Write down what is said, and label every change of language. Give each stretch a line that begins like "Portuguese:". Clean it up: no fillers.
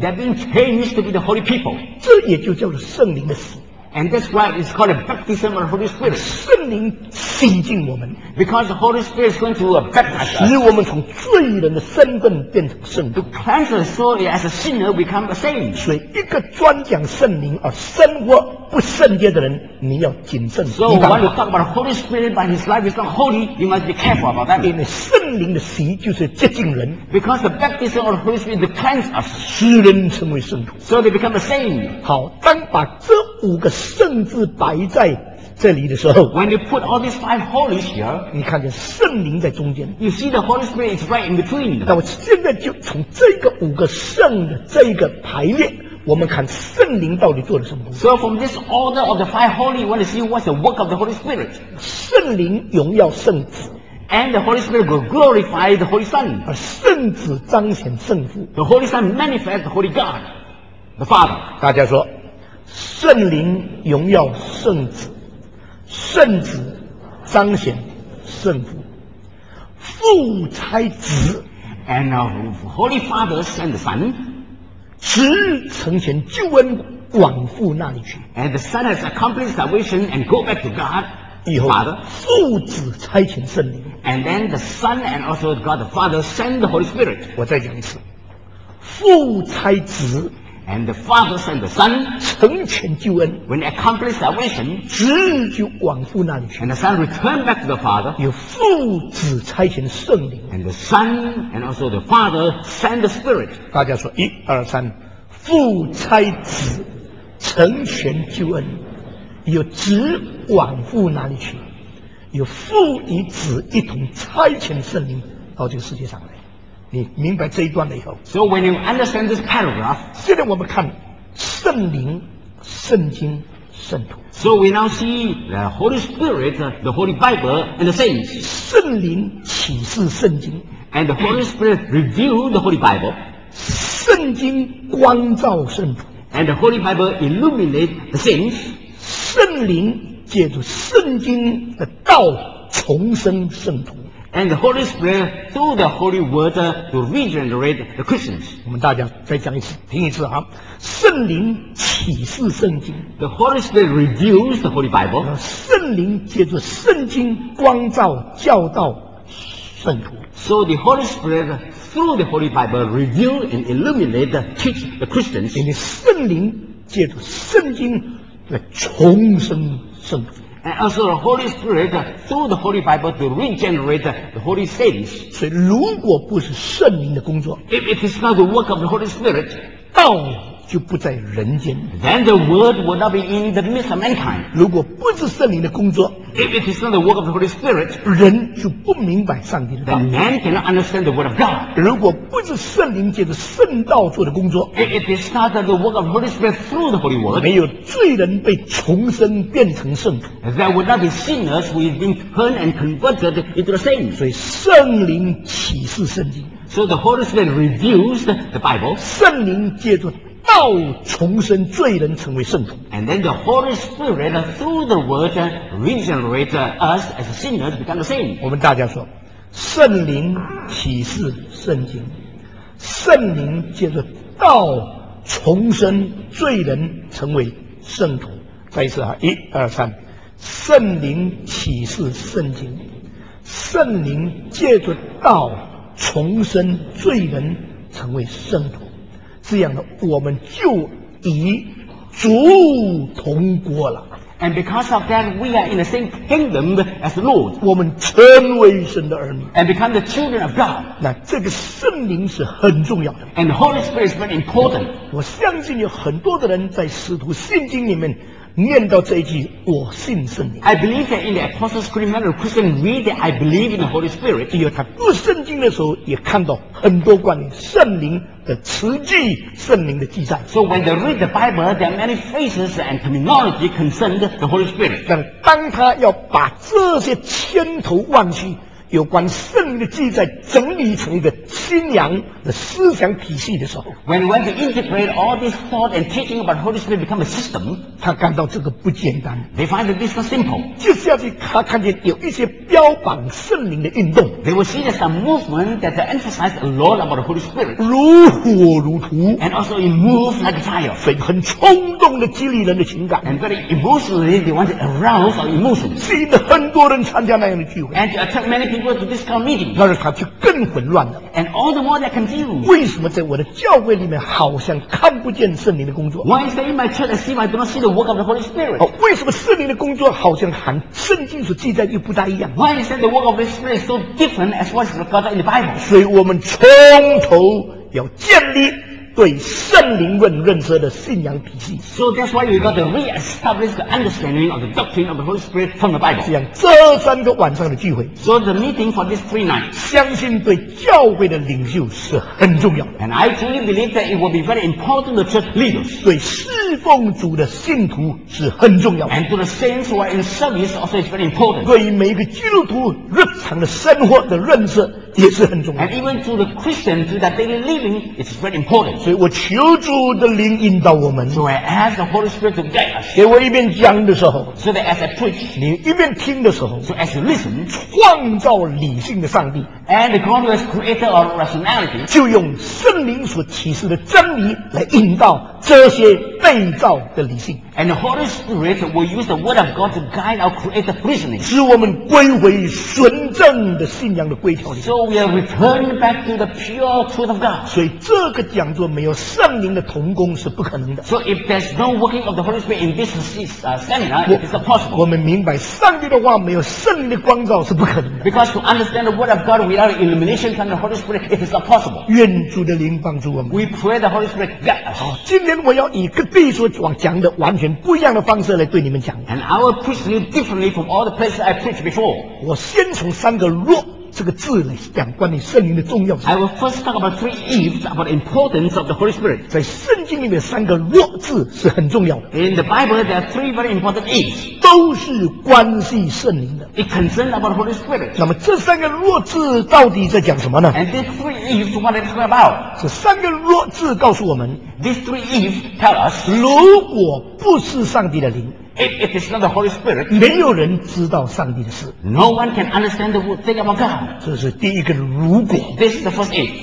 English: They're being changed to be the holy people
Chinese: 这也就叫做圣灵的死
English: And that's why it's called a baptism of the Holy Spirit
Chinese: 圣灵洗净我们
English: Because the Holy Spirit is going to baptize us
Chinese: 使我们从罪人的身份变成圣徒
English: To cleanse our soul as a sinner become a saint
Chinese: 所以一个专讲圣灵而生活不圣洁的人你要谨慎
English: So when you talk about the Holy Spirit but his life is not holy you must be careful about that
Chinese: 因为圣灵的洗就是洁净人
English: Because the baptism of the Holy Spirit to cleanse us
Chinese: 使人成为圣徒
English: So they become a saint
Chinese: 好当把这五个圣字摆在这里的时候
English: When you put all these five holies here
Chinese: 你看见圣灵在中间
English: You see the Holy Spirit is right in between
Chinese: 那我现在就从这个五个圣的这个排列我们看圣灵到底做了什么工作
English: So from this order of the five holy you want to see what's the work of the Holy Spirit
Chinese: 圣灵荣耀圣子
English: And the Holy Spirit will glorify the Holy Son
Chinese: 而圣子彰显圣父
English: The Holy Son manifests the Holy God The Father
Chinese: 大家说圣灵荣耀圣子圣子彰显圣父父差子
English: And the Holy Father sent the Son
Chinese: 子承前救恩往父那里去
English: And the Son has accomplished salvation and go back to God
Chinese: 以后
English: Father,
Chinese: 父子差遣圣灵
English: And then the Son and also God the Father sent the Holy Spirit
Chinese: 我再讲一次父差子
English: And the Father sent the Son
Chinese: 成全救恩
English: When he accomplished salvation
Chinese: 子就往父那里去
English: And the Son returned back to the Father
Chinese: 有父子差遣圣灵
English: And the Son and also the Father sent the Spirit
Chinese: 大家说一二三父差子成全救恩有子往父那里去有父与子一同差遣圣灵到这个世界上来你明白这一段了以后
English: So when you understand this paragraph
Chinese: 现在我们看圣灵圣经圣徒
English: So we now see the Holy Spirit the Holy Bible and the saints
Chinese: 圣灵启示圣经
English: And the Holy Spirit revealed the Holy Bible
Chinese: 圣经光照圣徒
English: And the Holy Bible illuminate the saints
Chinese: 圣灵借着圣经的道重生圣徒。
English: And the Holy Spirit through the Holy Word to regenerate the Christians.
Chinese: 我们大家再讲一次，听一次哈。圣灵启示圣经。
English: The Holy Spirit reveals the Holy Bible.
Chinese: 圣灵借着圣经光照教导圣徒。
English: So the Holy Spirit through the Holy Bible reveals and illuminates the teach the Christians.
Chinese: 因为圣灵借着圣经来重生圣徒。
English: And also the Holy Spirit through the Holy Bible to regenerate the Holy Saints.
Chinese: 所以如果不是圣灵的工作，
English: If it is not the work of the Holy Spirit,
Chinese: 道就不在人间，
English: Then the word will not be in the midst of mankind.
Chinese: 如果不是圣灵的工作，
English: If it is not the work of the Holy Spirit,
Chinese: 人就不明白上帝的道，
English: Then man cannot understand the word of God.
Chinese: 如果不是圣灵借着圣道做的工作，
English: If it is not the work of the Holy Spirit through the Holy Word,
Chinese: 没有罪人被重生变成圣徒，
English: There would not be sinners who have been turned and converted into the saints.
Chinese: 所以圣灵启示圣经，
English: So the Holy Spirit reveals the Bible.
Chinese: 圣灵借着道重生罪人成为圣徒。
English: And then the Holy Spirit through the word regenerate us as sinners become the same.
Chinese: 我们大家说，圣灵启示圣经，圣灵借着道重生罪人成为圣徒。再一次啊，一二三，圣灵启示圣经，圣灵借着道重生罪人成为圣徒。这样的我们就已主同国了。
English: And because of that, we are in the same kingdom as the Lord.
Chinese: 我们成为神的儿女。
English: And become the children of God.
Chinese: 那这个圣灵是很重要的。
English: And the Holy Spirit is very important.
Chinese: 我相信有很多的人在使徒信经里面念到这一句，我信圣灵。
English: I believe that in the Apostles' Creed, many Christians read that I believe in the Holy Spirit.
Chinese: 因为他读圣经的时候，也看到很多关于圣灵的词句、圣灵的记载。
English: So when they read the Bible, there are many phrases and terminology concerned the Holy Spirit.
Chinese: 但当他要把这些千头万绪有关圣灵的记载整理成一个新娘的思想体系的时候，
English: When we integrate all these thoughts and teaching about Holy Spirit become a system,
Chinese: 他感到这个不简单。
English: They find that this is not simple.
Chinese: 接下去他看见有一些标榜圣灵的运动。
English: They will see that some movement that emphasized a lot about the Holy Spirit.
Chinese: 如火如荼。
English: And also it moves like fire.
Chinese: 所以很冲动的激励人的情感。
English: And very emotionally they want to arouse our emotion.
Chinese: 吸引很多人参加那样的聚会。
English: And to attract many people to this kind of meeting.
Chinese: 那是他就更混乱了。
English: And all the more they're confused.
Chinese: 为什么在我的教会里面好像看不见圣灵的工作？
English: Why is that in my church I see I do not see the work of the Holy Spirit?
Chinese: 为什么圣灵的工作好像和圣经所记载又不大一样？
English: Why is that the work of the Spirit so different as what is recorded in the Bible?
Chinese: 所以我们从头要建立对圣灵论认识的信仰体系。
English: So that's why we got to re-establish the understanding of the doctrine of the Holy Spirit from the Bible.
Chinese: 这样这三个晚上的聚会，
English: So the meeting for these three nights,
Chinese: 相信对教会的领袖是很重要。
English: And I truly believe that it will be very important to church leaders.
Chinese: 对侍奉主的信徒是很重要。
English: And to the saints who are in service also is very important.
Chinese: 对于每一个基督徒日常的生活的认识也是很重要。
English: And even to the Christian, to their daily living, it's very important.
Chinese: 所以我求主的灵引导我们。
English: So I ask the Holy Spirit to guide us.
Chinese: 给我一边讲的时候，
English: So that as I preach,
Chinese: 你一边听的时候，
English: So as you listen,
Chinese: 创造理性的上帝，
English: And the God who is creator of rationality,
Chinese: 就用圣灵所启示的真理来引导这些被造的理性。
English: And the Holy Spirit will use the word of God to guide our creator reasoning,
Chinese: 使我们归回纯正的信仰的规条里。
English: So we are returned back to the pure truth of God.
Chinese: 所以这个讲座没有圣灵的同工是不可能的。
English: So if there's no working of the Holy Spirit in this seminar, it's impossible.
Chinese: 我们明白上帝的话没有圣灵的光照是不可能的。
English: Because to understand the word of God without illumination from the Holy Spirit, it is impossible.
Chinese: 愿主的灵帮助我们。
English: We pray the Holy Spirit guide us.
Chinese: 好，今天我要以各地所讲的完全不一样的方式来对你们讲。
English: And I will preach to you differently from all the places I preached before.
Chinese: 我先从三个弱这个字来讲关于圣灵的重要性。
English: I will first talk about three eves, about the importance of the Holy Spirit.
Chinese: 在圣经里面三个弱字是很重要的。
English: In the Bible, there are three very important eves.
Chinese: 都是关系圣灵的。
English: It concerns about the Holy Spirit.
Chinese: 那么这三个弱字到底在讲什么呢？
English: And these three eves, what are they talking about?
Chinese: 这三个弱字告诉我们，
English: These three eves tell us,
Chinese: 如果不是上帝的灵，
English: If it is not the Holy Spirit,
Chinese: 没有人知道上帝的事。
English: No one can understand the thing about God.
Chinese: 这是第一个如果。
English: This is the first if.